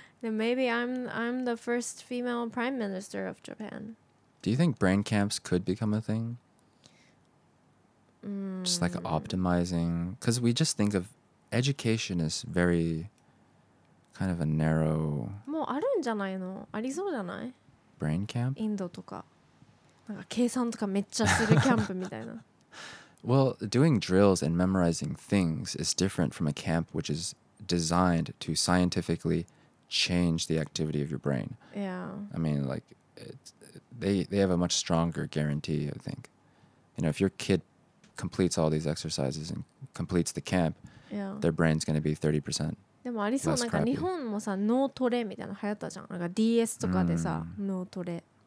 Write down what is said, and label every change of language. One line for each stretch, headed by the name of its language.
English: Then maybe I'm the first female prime minister of Japan. Do you think brain camps could become a thing? Mm. Just like optimizing? Because we just think of education as very kind of a narrow...
Japanese: もうあるんじゃないの? ありそうじゃない?
English: Brain camp?
Japanese: インドとか。なんか計算とかめっちゃするキャンプみたいな。
English: Well, doing drills and memorizing things is different from a camp which is designed to scientifically change the activity of your brain. Yeah. I mean, like, they have a much stronger guarantee, I think. You know, if your kid completes all these exercises and completes the camp, yeah. their brain's going to be 30%.
Japanese: でもありそう、なんか日本もさ脳トレみたいな流行ったじゃん、なんか DS とかでさ脳トレ。